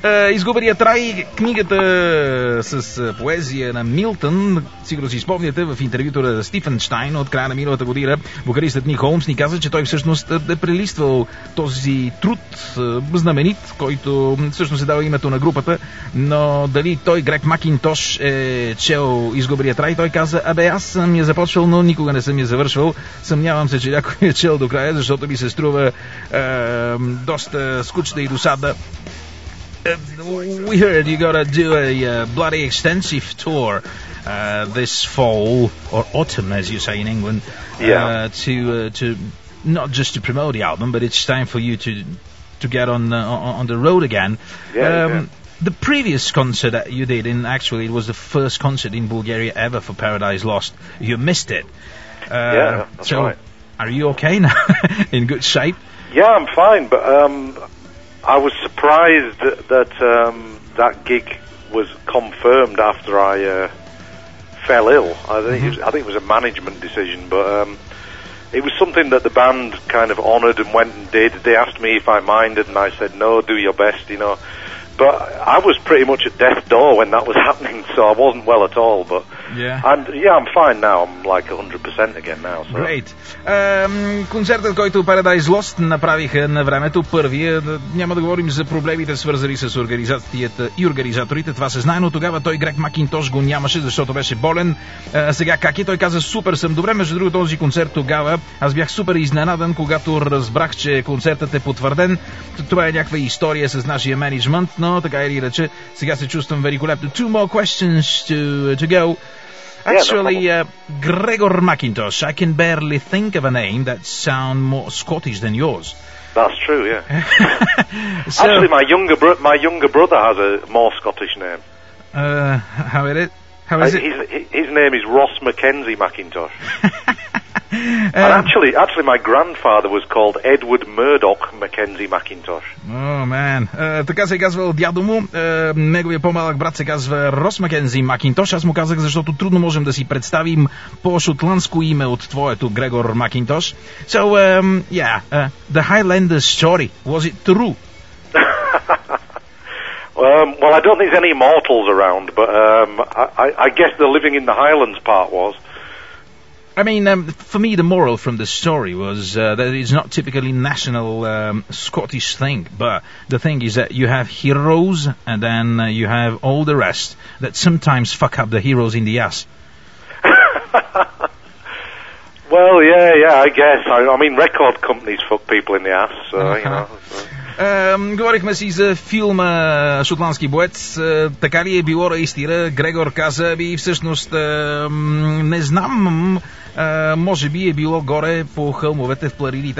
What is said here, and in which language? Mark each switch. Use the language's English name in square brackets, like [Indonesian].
[Bulgarian] Изгубеният рай, книгата с поезия на Милтън, сигурно си спомняте, в интервюто на Стивен Штайн от края на миналата година, вокалистът Ник Холмс ни каза, че той всъщност е прелиствал този труд, знаменит, който всъщност е дал името на групата, но дали той, Грег Макинтош, е чел Изгубеният рай, той каза, абе аз съм я започвал, но никога не съм я завършвал, съмнявам се, че някой е чел до края, защото ми се струва доста скучна и досадна. [English] We heard you gotta do a bloody extensive tour this fall or autumn, as you say in England. Yeah. To not just to promote the album, but it's time for you to get on the road again. Yeah. The previous concert that you did, and actually it was the first concert in Bulgaria ever for Paradise Lost. You missed it. Yeah, that's right. Are you okay now? In good shape? Yeah, I'm fine, but I was surprised that gig was confirmed after I fell ill. I think it was a management decision, but it was something that the band kind of honoured and went and did. They asked me if I minded, and I said, no, do your best, you know. But I was pretty much at death's door when that was happening, so I wasn't well at all. But yeah. And yeah, I'm fine now. I'm like 100% again now. So. Great. [Bulgarian] Концертът, който Paradise Lost направиха на времето, първия, няма да говорим за проблемите, свързани с организацията и организаторите, това се знае, но тогава той, Грег Макинтош, го нямаше, защото беше болен. Сега как е? Той каза, супер съм, добре. Между другото, този концерт тогава, аз бях супер изненадан, когато разбрах, че концертът е потвърден. Това е някаква история с нашия менеджмент. No, така или иначе, сега се чувствам великолепно. [English] Two more questions to go. Actually, yeah, no, Gregor Macintosh, I can barely think of a name that sound more Scottish than yours. That's true, yeah. So, actually, my younger brother has a more Scottish name. How is it? His name is Ross Mackenzie Macintosh. And actually, my grandfather was called Edward Murdoch Mackenzie Macintosh. Oh, man. [Bulgarian] Така се казвал дядо му. Неговия по-малък брат се казва Рос Мекензи Макинтош. Аз му казах, защото трудно можем да си представим по-шотландско име от твоето, Грегор Макинтош. [English] So, yeah, the Highlander story, was it true? Well, I don't think there's any mortals around, but I guess the living in the Highlands part was. I mean, for me, the moral from the story was that it's not typically national Scottish thing, but the thing is that you have heroes and then you have all the rest that sometimes fuck up the heroes in the ass. Well, yeah, I guess. I mean, record companies fuck people in the ass, so, you know. [Bulgarian] Говорихме си за филма Шотландски боец. Така ли е било реистира? Грегор каза, би всъщност не знам, може би е било горе по хълмовете в Пларидите.